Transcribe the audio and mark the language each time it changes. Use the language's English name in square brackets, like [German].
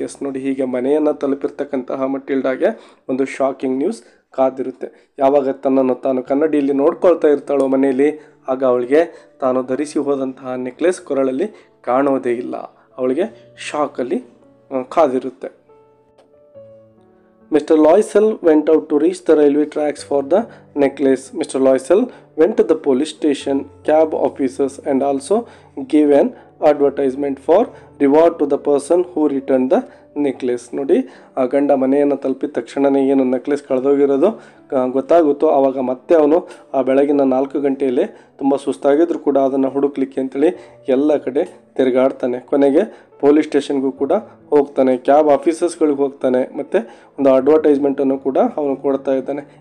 [Kannada] S, ನೋಡಿ ಹೀಗೆ ಮನೆಯನ್ನು ತಲುಪಿರ್ತಕ್ಕಂತಹ ಮಟಿಲ್ಡಾಗೆ ಒಂದು ಶಾಕಿಂಗ್ ನ್ಯೂಸ್ ಕಾದಿರುತ್ತೆ. ಯಾವಾಗ ತನ್ನನ್ನು ತಾನು ಕನ್ನಡಿಯಲ್ಲಿ ನೋಡ್ಕೊಳ್ತಾ ಇರ್ತಾಳೋ ಮನೆಯಲ್ಲಿ, ಆಗ ಅವಳಿಗೆ ತಾನು ಧರಿಸಿ ಹೋದಂತಹ ನೆಕ್ಲೇಸ್ ಕೊರಳಲ್ಲಿ ಕಾಣೋದೇ ಇಲ್ಲ. ಅವಳಿಗೆ ಶಾಕಲ್ಲಿ ಕಾದಿರುತ್ತೆ. [English] Mr. Loisel went out to reach the railway tracks for the necklace. Mr. Loisel went to the police station, cab officers, and also gave an advertisement for reward to the person who returned the necklace. [Kannada] ನೋಡಿ, ಆ ಗಂಡ ಮನೆಯನ್ನು ತಲುಪಿದ ತಕ್ಷಣನೇ ಏನು necklace ಕಳೆದೋಗಿರೋದು ಗೊತ್ತಾಗುತ್ತೋ. ಆವಾಗ ಮತ್ತೆ ಅವನು ಆ ಬೆಳಗಿನ 4 ಗಂಟೆಯಲ್ಲಿ ತುಂಬ ಸುಸ್ತಾಗಿದ್ರು ಕೂಡ ಅದನ್ನು ಹುಡುಕ್ಲಿಕ್ಕೆ ಅಂತೇಳಿ ಎಲ್ಲ ಕಡೆ ತಿರುಗಾಡ್ತಾನೆ. ಕೊನೆಗೆ ಪೊಲೀಸ್ ಸ್ಟೇಷನ್ಗೂ ಕೂಡ ಹೋಗ್ತಾನೆ, ಕ್ಯಾಬ್ ಆಫೀಸಸ್ಗಳಿಗೆ ಹೋಗ್ತಾನೆ, ಮತ್ತು ಒಂದು ಅಡ್ವರ್ಟೈಸ್ಮೆಂಟನ್ನು ಕೂಡ ಅವನು ಕೊಡ್ತಾ ಇದ್ದಾನೆ.